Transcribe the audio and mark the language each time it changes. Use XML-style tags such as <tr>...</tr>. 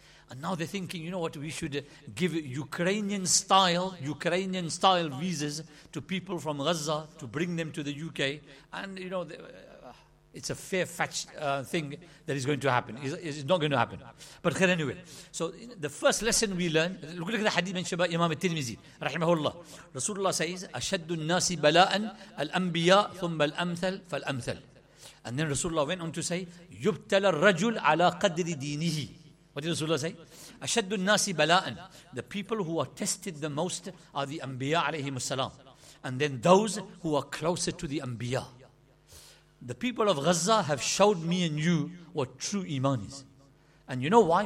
<en>And now they're thinking, you know what, we should give Ukrainian-style visas to people from Gaza to bring them to the UK. And, you know, it's a fair-fetched thing that is going to happen. It's not going to happen. But anyway, so the first lesson we learn, look at the hadith mentioned by Imam al-Tirmizi, rahimahullah. Rasulullah says,</en> <ar>أَشَدُّ النَّاسِ بَلَاءً الْأَنْبِيَاء ثُمَّ الْأَمْثَلْ فَالْأَمْثَلِ.</ar> <en>And then Rasulullah went on to say,</en> <ar>يُبْتَلَ الرَّجُلْ عَلَى قَدْرِ دِينِهِ.</ar> <en>What did Rasulullah say?</en> <ar>أَشَدُّ النَّاسِ بَلَاءً.</ar> <en>The people who are tested the most are the Anbiya alayhim salam. And then those who are closer to the Anbiya. The people of Gaza have showed me and you what true Iman is. And you know why?</en>